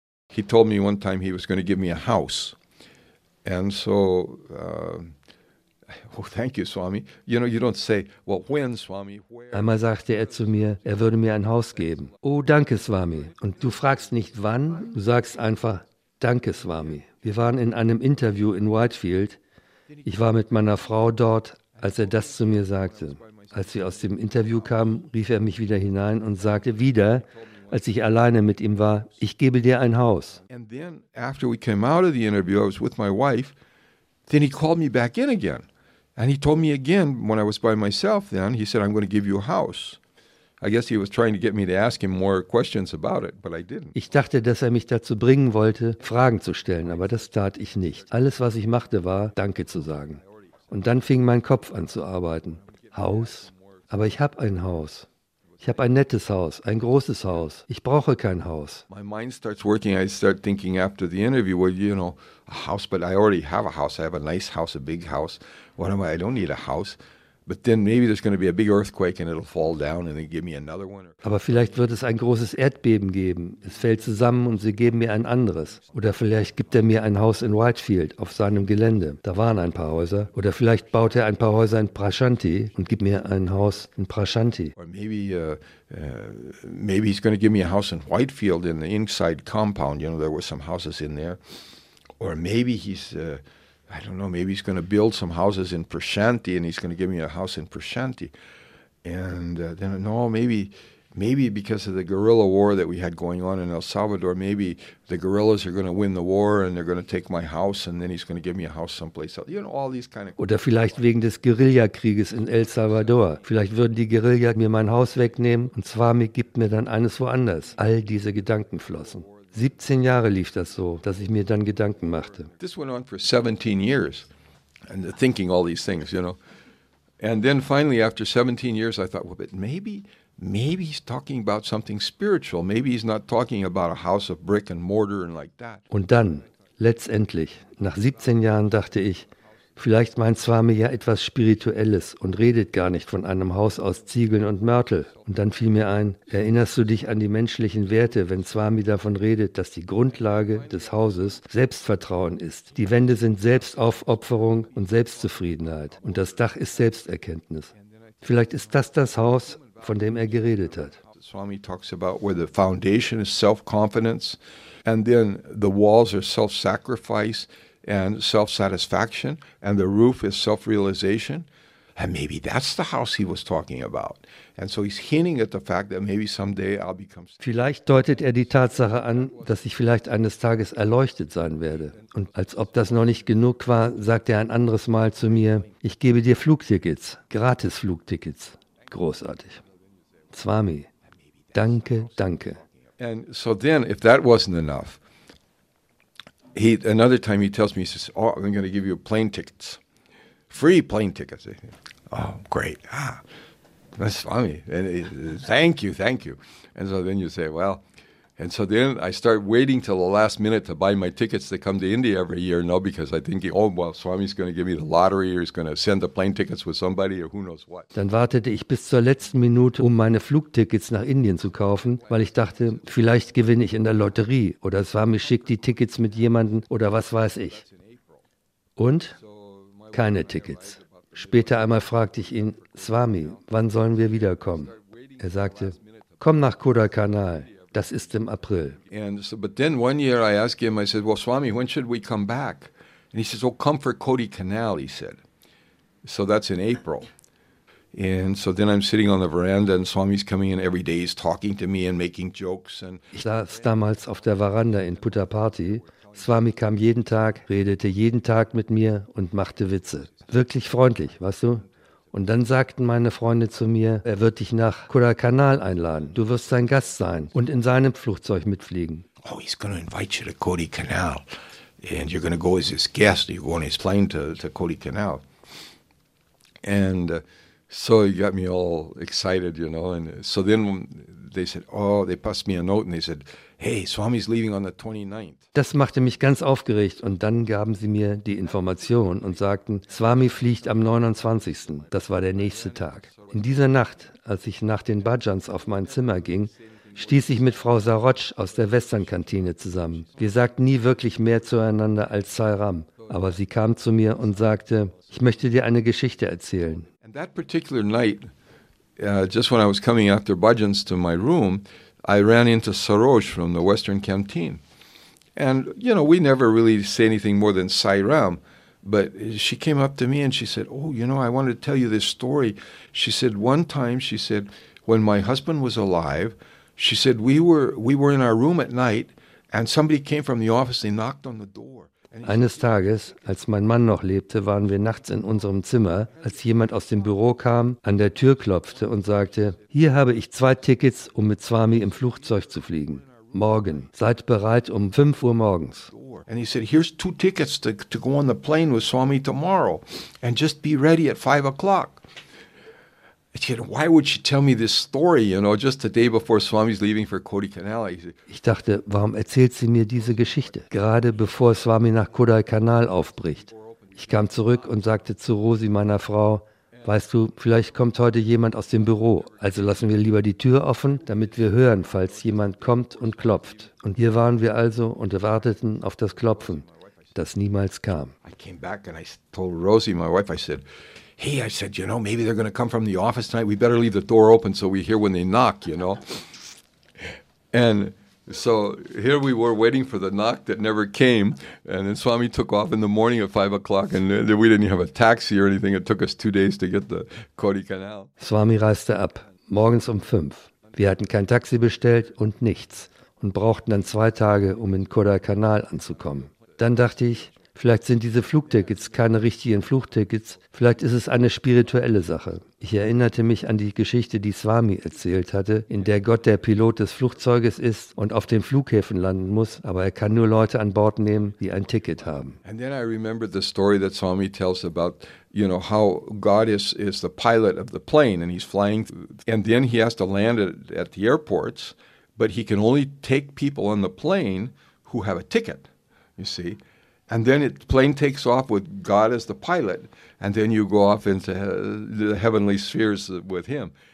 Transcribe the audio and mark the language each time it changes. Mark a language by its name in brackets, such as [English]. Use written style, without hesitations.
[English] He told me one time he was going to give me a house. And so, well, thank you, Swami. You know, you don't say, well, when, Swami, where? [German] Einmal sagte er zu mir, er würde mir ein Haus geben. Oh, danke, Swami. Und du fragst nicht wann, du sagst einfach, danke, Swami. Wir waren in einem Interview in Whitefield. Ich war mit meiner Frau dort, als er das zu mir sagte. Als wir aus dem Interview kamen, rief er mich wieder hinein und sagte wieder, als ich alleine mit ihm war, ich gebe dir ein Haus. [English] And then after we came out of the interview, I was with my wife, then he called me back in again. And he told me again, when I was by myself then, he said, I'm going to give you a house. I guess he was trying to get me to ask him more questions about it, but I didn't. [German] Ich dachte, dass er mich dazu bringen wollte, Fragen zu stellen, aber das tat ich nicht. Alles, was ich machte, war, Danke zu sagen. Und dann fing mein Kopf an zu arbeiten. Haus? Aber ich habe ein Haus. Ich habe ein nettes Haus, ein großes Haus. Ich brauche kein Haus. [English] My mind starts working. I start thinking after the interview, well, you know, a house, but I already have a house. I have a nice house, a big house. What am I? I don't need a house. But then maybe there's going to be a big earthquake and it'll fall down and they give me another one. [German] Aber vielleicht wird es ein großes Erdbeben geben. Es fällt zusammen und sie geben mir ein anderes. Oder vielleicht gibt er mir ein Haus in Whitefield auf seinem Gelände. Da waren ein paar Häuser. Oder vielleicht baut er ein paar Häuser in Prashanti und gibt mir ein Haus in Prashanti. [English] Or maybe he's going to give me a house in Whitefield in the inside compound. You know, there were some houses in there. Or maybe he's... I don't know, maybe he's going to build some houses in Prashanti and he's going to give me a house in Prashanti. And then, no, maybe because of the guerrilla war that we had going on in El Salvador, maybe the guerrillas are going to win the war and they're going to take my house and then he's going to give me a house someplace else. You know, all these kind of... [German] Oder vielleicht wegen des Guerillakrieges in El Salvador. Vielleicht würden die Guerilla mir mein Haus wegnehmen und Swami gibt mir dann eines woanders. All diese Gedanken flossen. 17 Jahre lief das so, dass ich mir dann Gedanken machte. [English] This went on for 17 years, and thinking all these things, you know. And then finally, after 17 years, I thought, well, but maybe he's talking about something spiritual. Maybe he's not talking about a house of brick and mortar and like that. [German] Und dann, letztendlich, nach 17 Jahren dachte ich, Vielleicht meint Swami ja etwas Spirituelles und redet gar nicht von einem Haus aus Ziegeln und Mörtel. Und dann fiel mir ein, erinnerst du dich an die menschlichen Werte, wenn Swami davon redet, dass die Grundlage des Hauses Selbstvertrauen ist? Die Wände sind Selbstaufopferung und Selbstzufriedenheit. Und das Dach ist Selbsterkenntnis. Vielleicht ist das das Haus, von dem er geredet hat. [English] Swami talks about where the foundation is self-confidence and then the walls are self-sacrifice and self-satisfaction and the roof is self-realization. And maybe that's the house he was talking about. And so he's hinting at the fact that maybe someday I'll become... [German] Vielleicht deutet er die Tatsache an, dass ich vielleicht eines Tages erleuchtet sein werde. Und als ob das noch nicht genug war, sagt er ein anderes Mal zu mir, ich gebe dir Flugtickets, gratis Flugtickets. Großartig. Swami, danke, danke. [English] And so then, if that wasn't enough, another time he tells me, oh, I'm going to give you plane tickets. Free plane tickets. Oh, great. Ah, that's funny. And he, thank you, thank you. And so then you say, well, and so then I start waiting till the last minute to buy my tickets to come to India every year, no, because I think, oh, well, Swami's going to give me the lottery or he's going to send the plane tickets with somebody or who knows what. [German] Dann wartete ich bis zur letzten Minute, um meine Flugtickets nach Indien zu kaufen, weil ich dachte, vielleicht gewinne ich in der Lotterie oder Swami schickt die Tickets mit jemanden oder was weiß ich. Und? Keine Tickets. Später einmal fragte ich ihn, Swami, wann sollen wir wiederkommen? Er sagte, komm nach Kodaikanal. Das ist im April. [English] And so, but then one year I asked him, I said, well, Swami, when should we come back? And he says, oh, come for Kodaikanal, he said. So that's in April. And so then I'm sitting on the veranda and Swami's coming in every day. He's talking to me and making jokes. And [German] ich saß damals auf der Veranda in Puttaparthi. Swami kam jeden Tag, redete jeden Tag mit mir und machte Witze. Wirklich freundlich, weißt du? Und dann sagten meine Freunde zu mir, er wird dich nach Kodaikanal einladen. Du wirst sein Gast sein und in seinem Flugzeug mitfliegen. [English] Oh, he's going to invite you to Kodaikanal. And you're going to go as his guest. You go on his plane to Kodaikanal. And so he got me all excited, you know. And so then they said, oh, they passed me a note and they said, hey, Swami's leaving on the 29th. [German] Das machte mich ganz aufgeregt und dann gaben sie mir die Information und sagten, Swami fliegt am 29. Das war der nächste Tag. In dieser Nacht, als ich nach den Bhajans auf mein Zimmer ging, stieß ich mit Frau Sarotsch aus der Westernkantine zusammen. Wir sagten nie wirklich mehr zueinander als Sai Ram, aber sie kam zu mir und sagte, ich möchte dir eine Geschichte erzählen. [English] And that particular night, just when I was coming after Bhajans to my room, I ran into Sarosh from the Western Canteen. And, you know, we never really say anything more than Sai Ram, but she came up to me and she said, oh, you know, I wanted to tell you this story. She said, one time, she said, when my husband was alive, she said, we were in our room at night and somebody came from the office, they knocked on the door. [German] Eines Tages, als mein Mann noch lebte, waren wir nachts in unserem Zimmer, als jemand aus dem Büro kam, an der Tür klopfte und sagte, hier habe ich zwei Tickets, um mit Swami im Flugzeug zu fliegen. Morgen. Seid bereit um 5 Uhr morgens. [English] And he said, here's two tickets to go on the plane with Swami tomorrow. And just be ready at 5 o'clock. Why would she tell me this story, you know, just the day before Swami's leaving for Kodaikanal? [German] Ich dachte, warum erzählt sie mir diese Geschichte, gerade bevor Swami nach Kodaikanal aufbricht? Ich kam zurück und sagte zu Rosi, meiner Frau, weißt du, vielleicht kommt heute jemand aus dem Büro, also lassen wir lieber die Tür offen, damit wir hören, falls jemand kommt und klopft. Und hier waren wir also und warteten auf das Klopfen, das niemals kam. [English] I came back and I told Rosie, my wife, I said, hey, I said, you know, maybe they're going to come from the office tonight. We better leave the door open so we hear when they knock, you know. And so here we were waiting for the knock that never came. And then Swami took off in the morning at 5 o'clock. And we didn't have a taxi or anything. It took us 2 days to get the Kodaikanal. [German] Swami reiste ab, morgens um 5. Wir hatten kein Taxi bestellt und nichts. Und brauchten dann 2 Tage, um in Kodaikanal anzukommen. Dann dachte ich, vielleicht sind diese Flugtickets keine richtigen Flugtickets, vielleicht ist es eine spirituelle Sache. Ich erinnerte mich an die Geschichte, die Swami erzählt hatte, in der Gott der Pilot des Flugzeuges ist und auf den Flughäfen landen muss, aber er kann nur Leute an Bord nehmen, die ein Ticket haben. [English] And then I remember the story that Swami tells about, you know, how God is the pilot of the plane and he's flying and then he has to land at the airports, but he can only take people on the plane who have a ticket. You see? And then the plane takes off with God as the pilot. And then you go off into the heavenly spheres with him.